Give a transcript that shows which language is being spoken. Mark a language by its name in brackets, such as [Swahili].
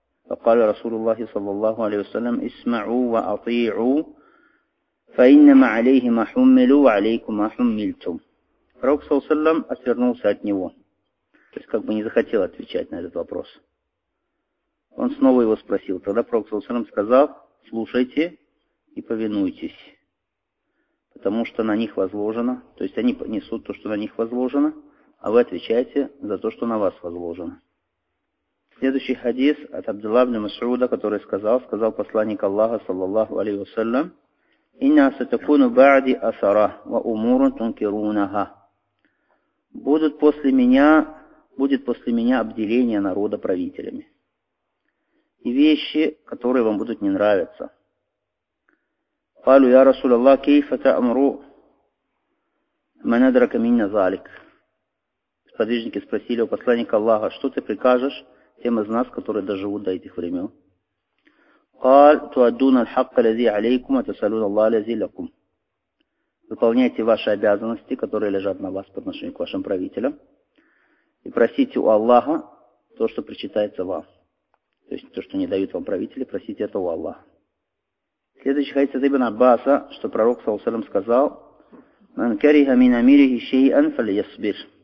[Arabic] فقال رسول الله صلى الله عليه وسلم اسمعوا وأطيعوا فإنما عليه ما حملوا وعليكم ما حملتم. [Russian] Пророк صلى الله عليه وسلم отвернулся от него. То есть как бы не захотел отвечать на этот вопрос. Он снова его спросил. Тогда Пророк صلى الله عليه وسلم сказал слушайте и повинуйтесь. Потому что на них возложено, то есть они несут то, что на них возложено, а вы отвечаете за то, что на вас возложено. Следующий хадис от Абдулла ибн Масуда, который сказал посланник Аллаха, саллаллаху алейхи ва саллям, [Arabic] «Инна сатакуну ба'ди асара, ва умурун тункирунаха». [Russian] Будет после меня обделение народа правителями. И вещи, которые вам будут не нравиться. [Arabic] قالوا يا رسول الله كيف تأمر من أدرك منا ذلك؟ [Russian] Сподвижники спросили у посланника Аллаха, что ты прикажешь тем из нас, которые доживут до этих времен? [Arabic] قال تؤدون الحق الذي عليكم وتسألون الله الذي لكم. [Russian] Выполняйте ваши обязанности, которые лежат на вас по отношению к вашим правителям, и просите у Аллаха то, что причитается вам. То есть то, что не дают вам правители, просите это у Аллаха. Следующий хадис от Ибн Аббаса, что пророк саллаллаху сказал, [Arabic] «Ман кариха мин амирихи шейан фаль ясбир».